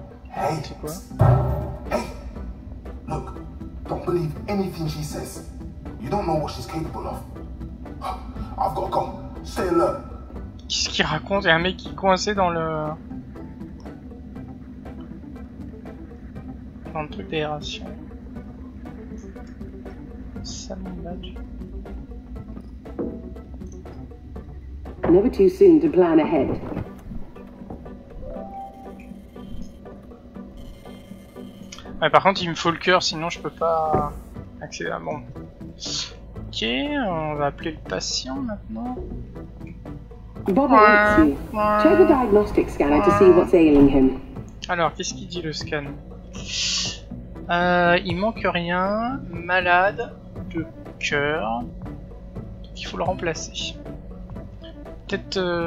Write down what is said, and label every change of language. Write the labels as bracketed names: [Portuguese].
[English] Hey, hey, look, don't believe anything she says. You don't know what she's capable of. I've got to go. Stay alert. [French] Qu'est-ce qu'il raconte? Il y a un mec qui est coincé dans le... dans le truc d'aération. Ça me badge. [English] Never too soon to plan ahead. [French] Ouais, par contre, il me faut le cœur, sinon je peux pas accéder à... Bon. Ok, on va appeler le patient maintenant. [English] Bob, check the diagnostic scanner to see what's ailing him. [French] Alors, qu'est-ce qu'il dit le scan? Il manque rien, malade de cœur. Donc, il faut le remplacer. Peut-être.